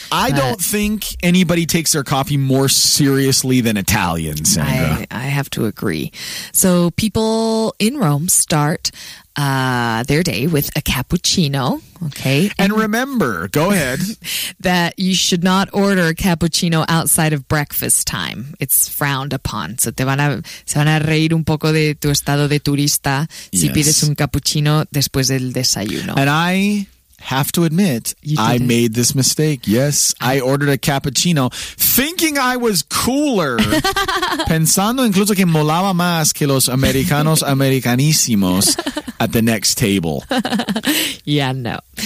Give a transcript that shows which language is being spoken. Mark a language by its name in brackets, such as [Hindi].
[English] I don't think anybody takes their coffee more seriously than Italians, Sandra. I have to agree. So people in Rome start their day with a cappuccino. Okay. And remember, go ahead. That you should not order a cappuccino outside of breakfast time. It's frowned upon. So [Spanish] se van a reír un poco de tu estado de turista si pides un cappuccino después del desayuno. [English] And I have to admit, I made this mistake. Yes, I ordered a cappuccino thinking I was cooler. [Spanish] Pensando incluso que molaba más que los americanos americanísimos [English] at the next table. Yeah, no.